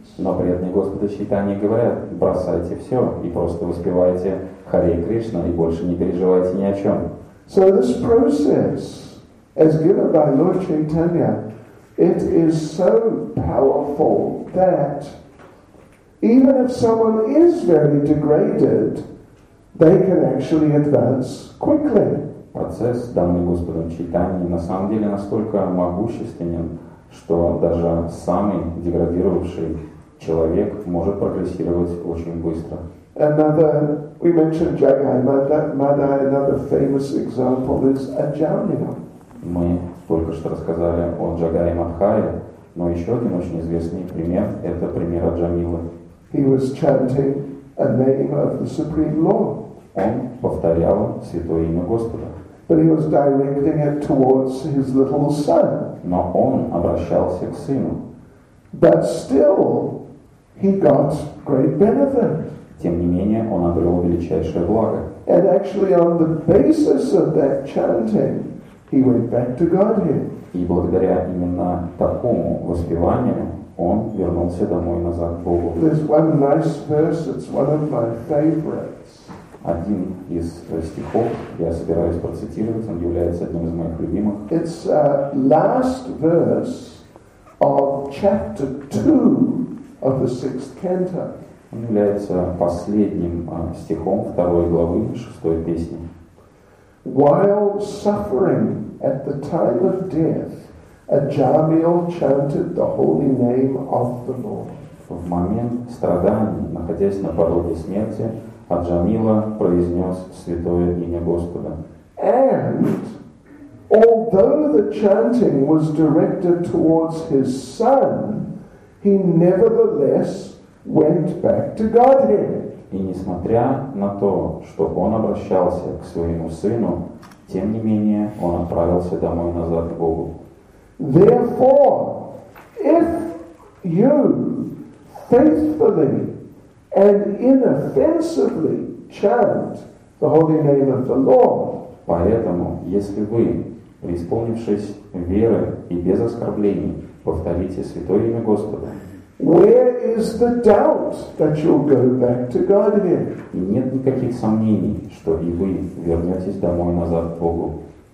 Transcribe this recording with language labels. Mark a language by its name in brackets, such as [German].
[Russian] Но преданные Господа Чайтанья говорят, бросайте все и просто воспевайте Харе Кришна и больше не переживайте ни о чем. [English] So this process, as given by Lord Chaitanya, it is so powerful that even if someone is very degraded, they can actually advance quickly. [Russian] Процесс, данный Господом Чайтанья, на самом деле настолько могущественен, что даже самый деградировавший человек может прогрессировать очень быстро. [English] Another, we mentioned Jagai Madai, another famous example is Ajamila. [Russian] Мы только что рассказали о Jagai Madhai, но еще один очень известный пример – это пример Аджамилы. [English] He was chanting a name of the Supreme Lord. [Russian] Он повторял святое имя Господа. [English] But he was directing it towards his little son. [Russian] Но он обращался к сыну. [English] But still, he got great benefit. [Russian] Тем не менее, он обрел величайшее благо. [English] And actually, on the basis of that chanting, he went back to Godhead. [Russian] И благодаря именно такому воспеванию, он вернулся домой назад к Богу. [English] There's one nice verse. It's one of my favorites. [Russian] Один из стихов, я собираюсь процитировать, он является одним из моих любимых. [English] It's last verse of chapter 2 of the sixth canto. [Russian] Он является последним стихом второй главы шестой песни. [English] While suffering at the time of death, Ajamil chanted the holy name of the Lord. [Russian] В момент страданий, находясь на пороге смерти, Аджамила произнес святое имя Господа. [English] And although the chanting was directed towards his son, he nevertheless went back to Godhead. [Russian] И несмотря на то, что он обращался к своему сыну, тем не менее он отправился домой назад к Богу. [English] Therefore, if you faithfully and inoffensively chant the holy name of the Lord. [Russian] Поэтому, если вы, преисполнившись веры и без оскорблений, повторите святое имя Господа, [English] where is the doubt that you'll go back to Godhead? [Russian] Нет никаких сомнений, что и вы вернетесь домой назад к Богу.